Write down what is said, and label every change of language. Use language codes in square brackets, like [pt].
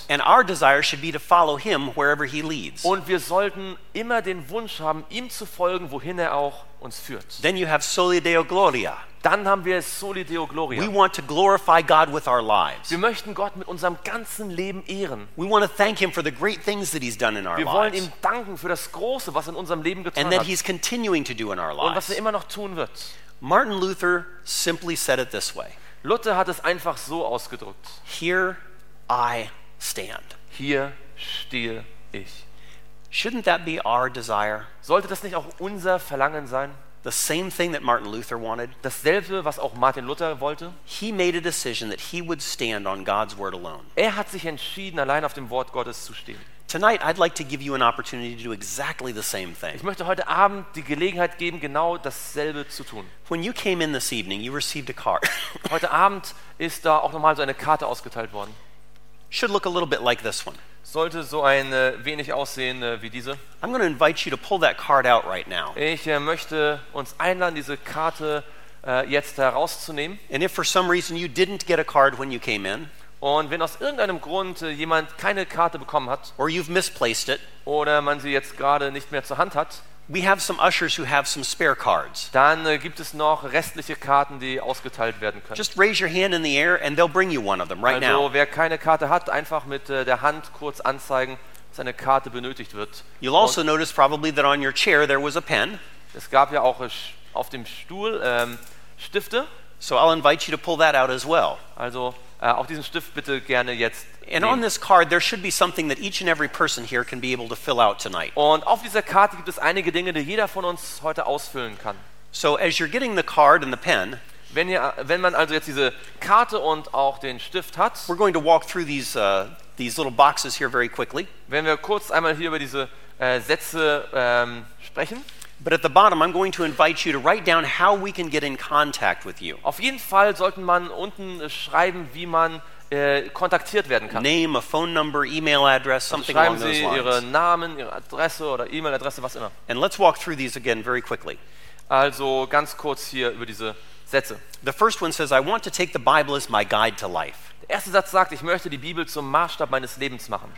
[en] And our desire should be to follow him wherever he leads. [de] Und wir sollten immer den Wunsch haben, ihm zu folgen, wohin er auch uns führt. [en] Then you have soli Deo Gloria. [de] Dann haben wir Soli Deo Gloria. [en] We want to glorify God with our lives. [de] Wir möchten Gott mit unserem ganzen Leben ehren. [en] We want to thank him for the great things that he's done in our lives. [de] Wir wollen ihm danken für das Große, was in unserem Leben getan hat. [en] And that he's continuing to do in our lives. [de] Und was er immer noch tun wird. [en] Martin Luther simply said it this way. [de] Luther hat es einfach so ausgedrückt. [en] Here I stand. [de] Hier stehe ich. [en] Shouldn't that be our desire? [de] Sollte das nicht auch unser Verlangen sein? [en] The same thing that Martin Luther wanted. [de] Dasselbe, was auch Martin Luther wollte. [en] He made a decision that he would stand on God's word alone. [de] Er hat sich entschieden, allein auf dem Wort Gottes zu stehen. [en] Tonight, I'd like to give you an opportunity to do exactly the same thing. [de] Ich möchte heute Abend die Gelegenheit geben, genau dasselbe zu tun. [en] When you came in this evening, you received a card. [de] Heute Abend ist da auch nochmal so eine Karte ausgeteilt worden. [en] Should look a little bit like this one. [de] Sollte so ein wenig aussehen wie diese. [en] I'm going to invite you to pull that card out right now. [de] Ich möchte uns einladen, diese Karte jetzt herauszunehmen. [en] And if for some reason you didn't get a card when you came in, [de] und wenn aus irgendeinem Grund jemand keine Karte bekommen hat, [en] or you've misplaced it, [de] oder man sie jetzt gerade nicht mehr zur Hand hat, [en] we have some ushers who have some spare cards. [de] Dann gibt es noch restliche Karten, die ausgeteilt werden können. [en] Just raise your hand in the air and they'll bring you one of them right [de] also, [en] now. [de] Also, wer keine Karte hat, einfach mit der Hand kurz anzeigen, dass eine Karte benötigt wird. [en] You'll und also notice probably that on your chair there was a pen. [de] Es gab ja auch auf dem Stuhl Stifte. [en] So I'll invite you to pull that out as well. [de] Also auch diesen Stift bitte gerne jetzt. [en] And on this card there should be something that each and every person here can be able to fill out tonight. [de] Und auf dieser Karte gibt es einige Dinge, die jeder von uns heute ausfüllen kann. [en] So as you're getting the card and the pen, [de] wenn man also jetzt diese Karte und auch den Stift hat, [en] we're going to walk through these these little boxes here very quickly. [de] Wenn wir kurz einmal hier über diese Sätze sprechen. [en] But at the bottom, I'm going to invite you to write down how we can get in contact with you. [de] Auf jeden Fall sollte man unten schreiben, wie man kontaktiert werden kann. [en] Name, a phone number, email address, something along those lines. [de] Schreiben Sie Ihren Namen, Ihre Adresse oder E-Mail-Adresse, was immer. [en] And let's walk through these again very quickly. [de] Also ganz kurz hier über diese Sätze. [en] The first one says, I want to take the Bible as my guide to life. [de] Der erste Satz sagt, ich möchte die Bibel zum Maßstab meines Lebens machen.